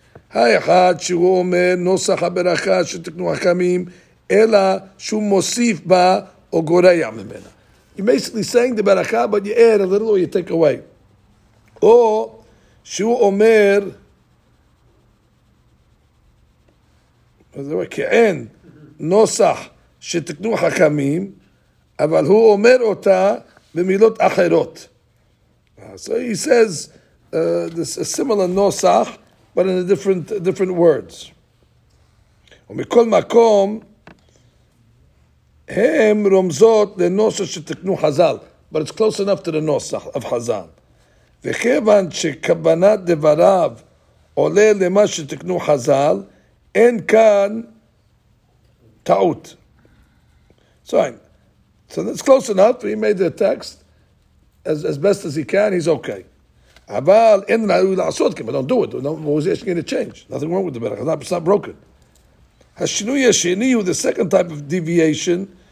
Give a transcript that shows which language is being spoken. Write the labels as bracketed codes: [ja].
[he] האחד שהוא אומר נוסח הברכה שתקנו החכמים, אלא שהוא מוסיף בה או גורע ממנה. [en] You're basically saying the ברכה, but you add a little or you take away. [he] או שהוא אומר, כאין נוסח שתקנו החכמים, אבל הוא אומר אותה במילות אחרות. [en] So he says, this is a similar נוסח, but in a different words. [he] ומכל מקום, הם רומזות לנוסח שתקנו חזל, [en] but it's close enough to the נוסח of חזל. [he] וכיוון שכוונת דבריו עולה למה שתקנו חזל, אין כאן טעות. [en] So that's close enough, he made the text as best as he can, he's okay. [he] אבל אין ראוי לעשות, כי [en] don't do it, there's going to change. Nothing wrong with the berachah, it's not broken. [he] השינוי השני הוא [en] the second type of deviation,